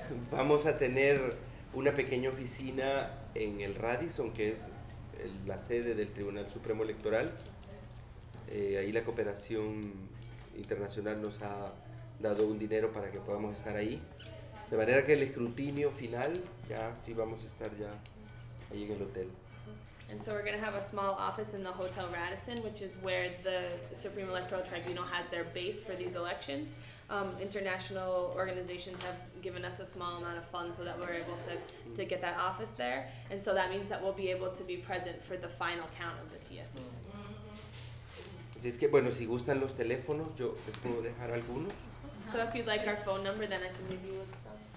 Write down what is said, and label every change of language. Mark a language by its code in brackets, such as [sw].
[es] Vamos a tener una pequeña oficina en el Radisson, que es la sede del Tribunal Supremo Electoral. Ahí la cooperación internacional nos ha dado un dinero para que podamos estar ahí, de manera que el escrutinio final ya sí vamos a estar ya ahí en el hotel. [en] And so we're going to have a small office in the Hotel Radisson, which is where the Supreme Electoral Tribunal has their base for these elections. International organizations have given us a small amount of funds so that we're able to get that office there. And so that means that we'll be able to be present for the final count of the TSC. [es] Así es que, bueno, si gustan los teléfonos, yo les puedo dejar algunos. [en] So if you'd like our phone number, then I can leave you with some.